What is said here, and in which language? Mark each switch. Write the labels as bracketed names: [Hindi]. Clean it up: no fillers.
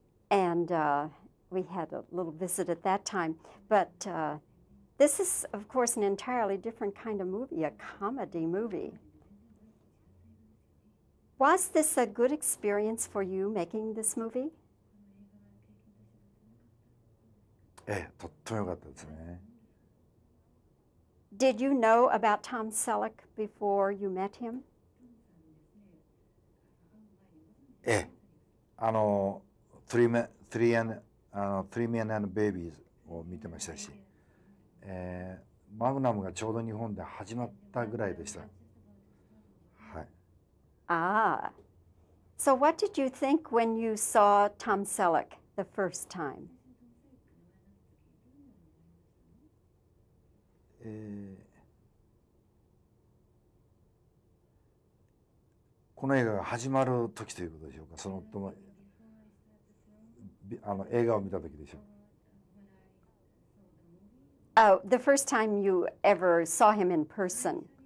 [English] And we had a little visit at that time. But this is, of course, an entirely different kind of movie, a comedy movie. Was this a good experience for you, making this movie? [Japanese] ええ、とっても良かったですね。 [English] Did you know about Tom Selleck before you met him? [Japanese] ええ、あの、Three Men and Babies を見てましたし、マグナムがちょうど日本で始まったぐらいでした。はい。 [English] Ah, so what did you think when you saw Tom Selleck the first time? [Japanese] この映画が始まる時ということでしょうか。その後も、あの、映画を見た時でしょうか。 [English] Oh, the first time you ever saw him in person.